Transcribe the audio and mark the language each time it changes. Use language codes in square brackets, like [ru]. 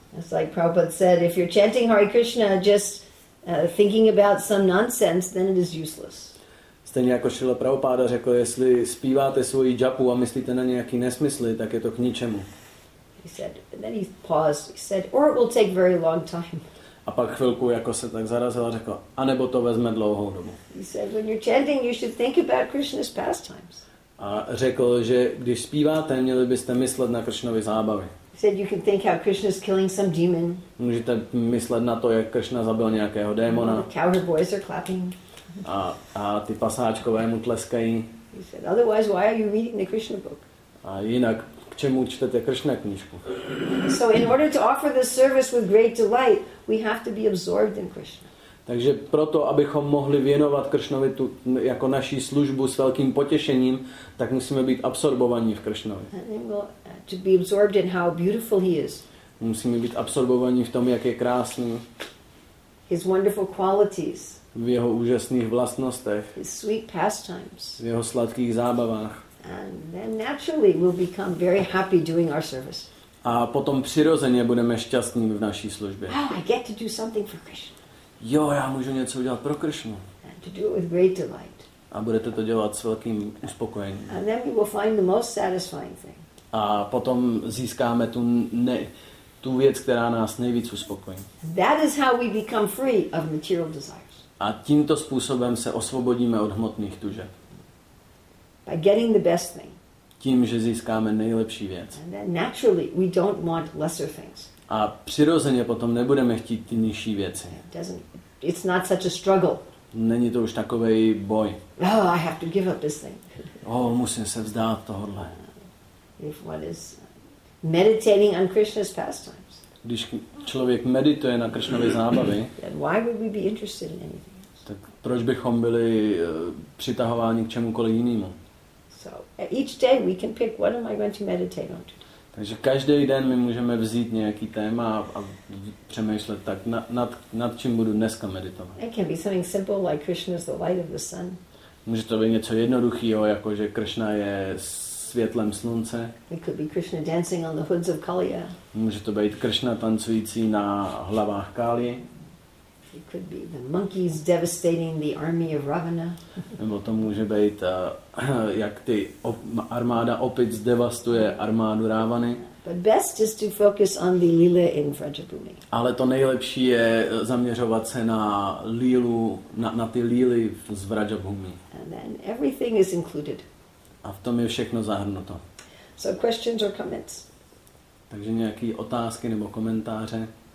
[en] It's like Prabhupada said, if you're chanting Hare Krishna just thinking about some nonsense, then it is useless. [cs] Stejně jako Šrila Prabhupáda řekl, jestli zpíváte svoji japu a myslíte na nějaký nesmysly, tak je to k ničemu. [en] He said, then he paused. He said, or it will take very long time. [cs] A pak chvilku jako se tak zarazil a řekl, a nebo to vezme dlouhou dobu. [en] He said, when you're chanting, you should think about Krishna's pastimes. [cs] A řekl, že když zpíváte, měli byste myslet na Krishnovy zábavy. [en] He said, you can think how Krishna's killing some demon. [cs] Můžete myslet na to, jak Krishna zabil nějakého démona. [en] The cowherd boys are clapping. [cs] A ty pasáčkové mu tleskají. [en] He said, otherwise, why are you reading the Krishna book? [cs] A jinak, k čemu čtete Krishna knížku? [en] So in order to offer this service with great delight, we have to be absorbed in Krishna. [cs] Takže proto, abychom mohli věnovat Krishnovi tu jako naší službu s velkým potěšením, tak musíme být absorbovaní v Krishnovi. [en] To be absorbed in how beautiful he is. [cs] Musíme být absorbovaní v tom, jak je krásný. [en] His wonderful qualities. [cs] V jeho úžasných vlastnostech. [en] His sweet pastimes. [cs] V jeho sladkých zábavách. [en] And then naturally we'll become very happy doing our service. [cs] A potom přirozeně budeme šťastní v naší službě. [en] Oh, I get to do something for Krishna. [cs] Jo, já můžu něco udělat pro Krishnu. [en] And to do it with great delight. [cs] A budete to dělat s velkým uspokojením. [en] And then we will find the most satisfying thing. [cs] A potom získáme tu věc, která nás nejvíc uspokojí. [en] That is how we become free of material desires. [cs] A tímto způsobem se osvobodíme od hmotných tužeb. [en] By getting the best thing. [cs] Tím, že získáme nejlepší věc. [en] And then naturally we don't want lesser things. [cs] A přirozeně potom nebudeme chtít ty nižší věci. [en] It's not such a struggle. [cs] Není to už takový boj. [en] Oh, I have to give up this thing. [cs] Oh, musím se vzdát tohle. [en] If one is meditating on Krishna's pastime. [cs] Když člověk medituje na Krishnovy zábavy, [en] why would we be interested in anything else? [cs] Tak proč bychom byli přitahováni k čemukoliv jinému? [en] So each day we can pick what am I going to meditate on. [cs] Takže každý den my můžeme vzít nějaký téma a přemýšlet tak nad čím budu dneska meditovat. [en] It can be something simple like Krishna is the light of the sun. [cs] Může to být něco jednoduchého, jako že Krishna je světlem slunce. [en] It could be Krishna dancing on the hoods of Kaliya. [cs] Může to být Krishna tancující na hlavách Kali. [en] It could be the monkeys devastating the army of Ravana. [cs] Nebo to může být jak ty armáda opic devastuje armádu Ravany. [en] But best is to focus on the lila in Vrajabhumi. [cs] Ale to nejlepší je zaměřovat se na lílu, na ty líly z Vrajabhumi. [en] And then everything is included. [cs] A v tom je všechno zahrnuto. [en] So questions or comments. [cs] Takže nějaké otázky nebo komentáře.